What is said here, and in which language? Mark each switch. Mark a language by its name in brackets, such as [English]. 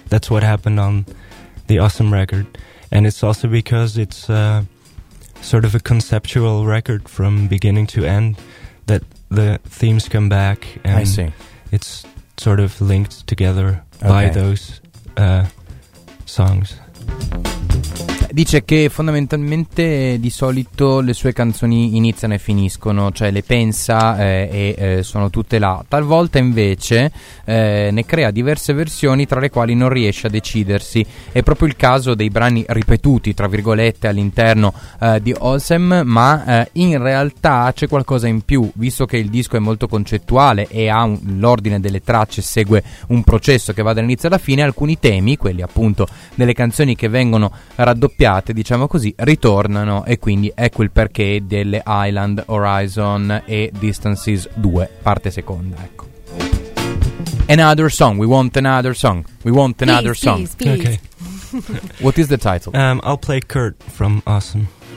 [English] That's what happened on the Awesome record. And it's also because it's sort of a conceptual record from beginning to end, that the themes come back and I see. It's sort of linked together okay. by those songs. [Italian] Dice che fondamentalmente di solito le sue canzoni iniziano e finiscono, cioè le pensa sono tutte là. Talvolta invece ne crea diverse versioni tra le quali non riesce a decidersi. È proprio il caso dei brani ripetuti, tra virgolette, all'interno di Awesome, ma in realtà c'è qualcosa in più. Visto che il disco è molto concettuale e ha l'ordine delle tracce, segue un processo che va dall'inizio alla fine, alcuni temi, quelli appunto delle canzoni che vengono raddoppiate, diciamo così, ritornano, e quindi ecco il perché delle Island, Horizon e Distances 2, parte seconda. Ecco. [English] Another song, we want another song, we want another please, song. Please, please. Okay. What is the title? I'll play Kurt from Awesome.